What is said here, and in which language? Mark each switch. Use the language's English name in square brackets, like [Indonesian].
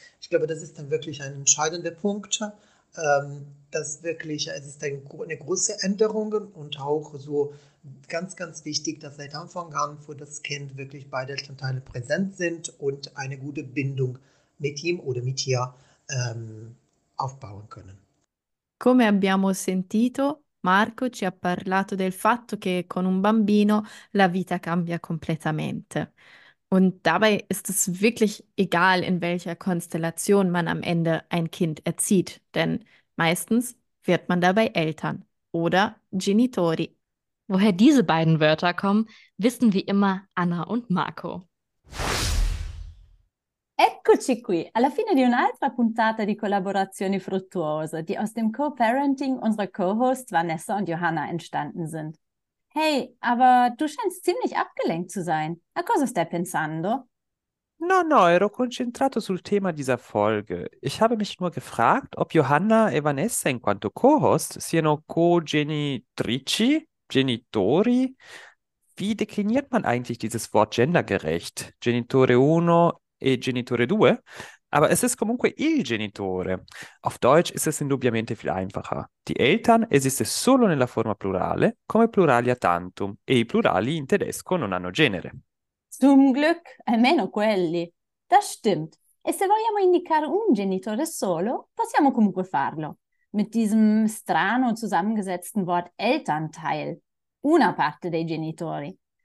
[German] Ich glaube, das ist dann wirklich ein entscheidender Punkt, dass wirklich, es ist eine große Änderung und auch so ganz, ganz wichtig, dass seit Anfang an für das Kind wirklich beide Elternteile präsent sind und eine gute Bindung mit ihm oder mit ihr aufbauen können. [Italian] Come abbiamo sentito, Marco ci ha parlato del fatto che con un bambino la vita cambia completamente. [German] Und dabei ist es wirklich egal, in welcher Konstellation man am Ende ein Kind erzieht, denn meistens wird man dabei Eltern oder Genitori. Woher diese beiden Wörter kommen, wissen wie immer Anna und Marco. [Italian] Eccoci qui, alla fine di un'altra puntata di Collaborazioni Fruttuose, [German] die aus dem Co-Parenting unserer Co-Hosts Vanessa und Johanna entstanden sind. Hey, aber du scheinst ziemlich abgelenkt zu sein. [Italian] A cosa stai pensando? No, ero concentrato sul tema [German] dieser Folge. Ich habe mich nur gefragt, ob [Italian] Johanna e Vanessa in quanto Co-Host siano co-genitrici, genitori. [German] Wie dekliniert man eigentlich dieses Wort gendergerecht? [Italian] Genitore uno e genitore due? [German] Aber es ist [Italian] comunque il genitore. [German] Auf Deutsch ist es [Italian] indubbiamente [German] viel einfacher. Die Eltern [Italian] esiste solo nella forma plurale, come pluralia tantum, e i plurali in tedesco non hanno genere. [German] Zum Glück, [Italian] almeno quelli. [German] Das stimmt. [Italian] E se vogliamo indicare un genitore solo, possiamo comunque farlo. [German] Mit diesem [Italian] strano [German] zusammengesetzten Wort Elternteil, [Italian] una parte dei genitori.